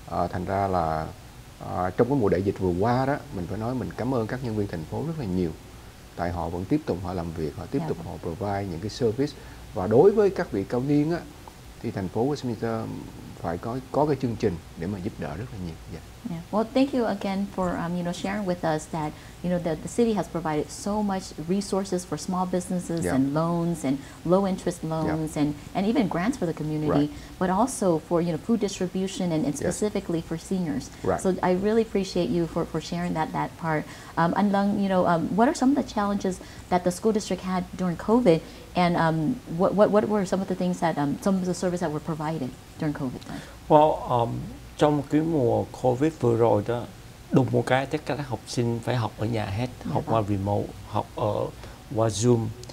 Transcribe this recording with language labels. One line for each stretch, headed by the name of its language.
Vietnamese: Thành ra là trong cái mùa đại dịch vừa qua đó, mình phải nói mình cảm ơn các nhân viên thành phố rất là nhiều. Tại họ vẫn tiếp tục họ làm việc, họ tiếp tục họ provide những cái service. Và đối với các vị cao niên á, thì thành phố Westminster phải có cái chương trình để mà giúp đỡ rất là nhiều.
English: Well, thank you again for you know, sharing with us that, you know, that the city has provided so much resources for small businesses and loans and low interest loans and even grants for the community, but also for, you know, food distribution and specifically for seniors. Right. So I really appreciate you for sharing that part. And Lung, you know, what are some of the challenges that the school district had during COVID, and what were some of the things that some of the services that were provided during COVID?
Vietnamese: Well, trong cái mùa COVID vừa rồi đó, đúng một cái tất cả các học sinh phải học ở nhà hết, học qua remote, học ở qua Zoom.